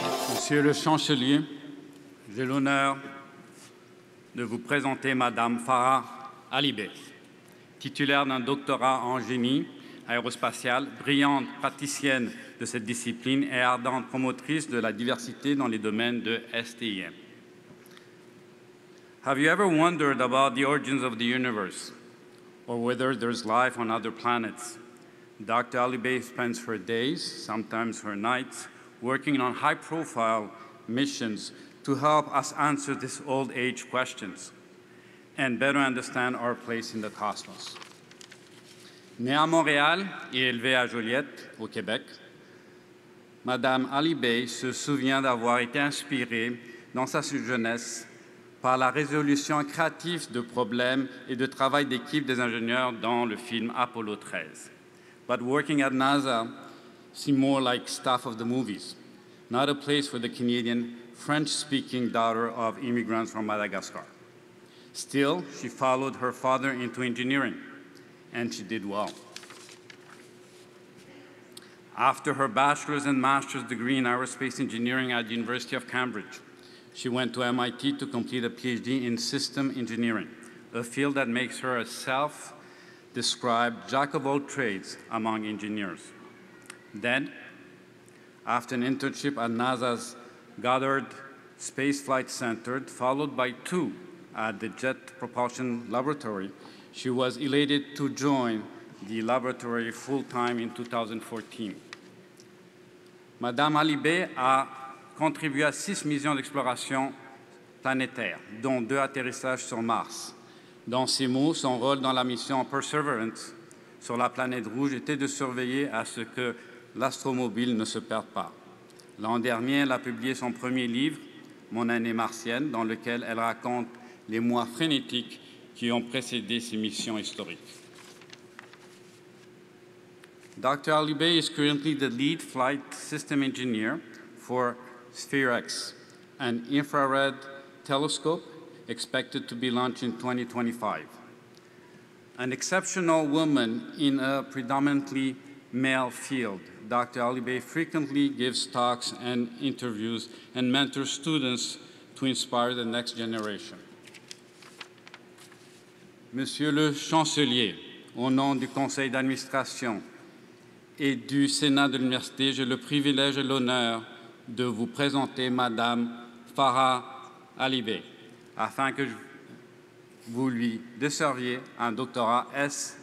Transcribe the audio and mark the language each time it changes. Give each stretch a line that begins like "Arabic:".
French: Monsieur le Chancelier, j'ai l'honneur de vous présenter Madame Farah Alibay, titulaire d'un doctorat en génie aérospatial, brillante praticienne de cette discipline et ardente promotrice de la diversité dans les domaines de STEM.
English: Have you ever wondered about the origins of the universe or whether there's life on other planets? Dr. Alibay spends her days, sometimes her nights, working on high-profile missions to help us answer these old-age questions and better understand our place in the cosmos.
French: Née à Montréal et élevée à Joliette, au Québec, Madame Alibay se souvient d'avoir été inspirée dans sa jeunesse par la résolution créative de problèmes et de travail d'équipe des ingénieurs dans le film Apollo 13.
English: But working at NASA seemed more like stuff of the movies, not a place for the Canadian French-speaking daughter of immigrants from Madagascar. Still, she followed her father into engineering, and she did well. After her bachelor's and master's degree in aerospace engineering at the University of Cambridge, she went to MIT to complete a PhD in system engineering, a field that makes her a self-described jack of all trades among engineers. Then, after an internship at NASA's Goddard Space Flight Center, followed by two at the Jet Propulsion Laboratory, she was elated to join the laboratory full-time in 2014.
French: Madame Alibay a contribué à 6 missions d'exploration planétaire, dont 2 atterrissages sur Mars. Dans ses mots, son rôle dans la mission Perseverance sur la planète rouge était de surveiller à ce que l'astromobile ne se perde pas. L'an dernier, elle a publié son premier livre, Mon année martienne, dans lequel elle raconte les mois frénétiques qui ont précédé ses missions historiques.
English: Dr. Alibay is currently the lead flight system engineer for SPHEREx, an infrared telescope expected to be launched in 2025. An exceptional woman in a predominantly male field, Dr. Alibay frequently gives talks and interviews and mentors students to inspire the next generation.
French: Monsieur le Chancelier, au nom du Conseil d'administration et du Sénat de l'Université, j'ai le privilège et l'honneur de vous présenter Madame Farah Alibay, afin que vous lui desserviez un doctorat S.